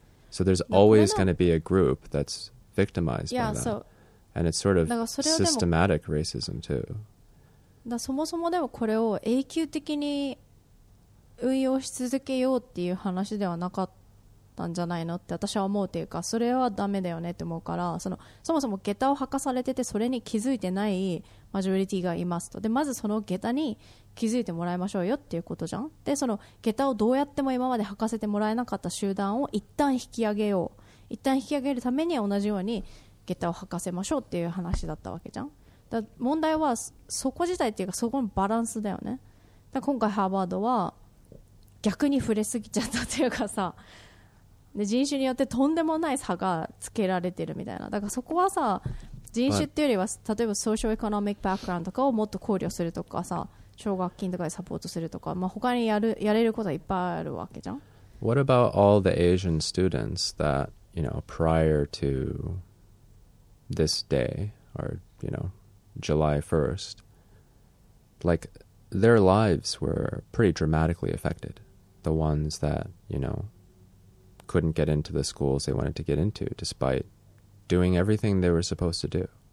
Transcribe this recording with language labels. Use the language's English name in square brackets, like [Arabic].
[English] So there's always going to be a group that's victimized by that. And it's sort of systematic racism too. [Japanese] だそもそもでもこれを永久的に運用し続けようっていう話ではなかった。なんじゃないのって私は思うというか、それはダメだよねって思うから、 そもそも下駄を履かされてて、それに気づいてないマジョリティがいますと。でまずその下駄に気づいてもらいましょうよっていうことじゃん。でその下駄をどうやっても今まで履かせてもらえなかった集団を一旦引き上げよう、一旦引き上げるためには同じように下駄を履かせましょうっていう話だったわけじゃん。だ問題はそこ自体っていうか、そこのバランスだよね。だ今回ハーバードは逆に触れすぎちゃったというかさ、で人種によってとんでもない差がつけられてるみたいな。だからそこはさ、人種っていうよりは例えばソーシャルエコノミックバックグラウンドとかをもっと考慮するとかさ、奨学金とかでサポートするとか、まあ、他にやれることはいっぱいあるわけじゃん。 [English] What about all the Asian students that, you know, prior to this day or, you know, July 1st, like their lives were pretty dramatically affected. The ones that, you know,couldn't get into the schools they wanted to get into despite doing everything they were supposed to do.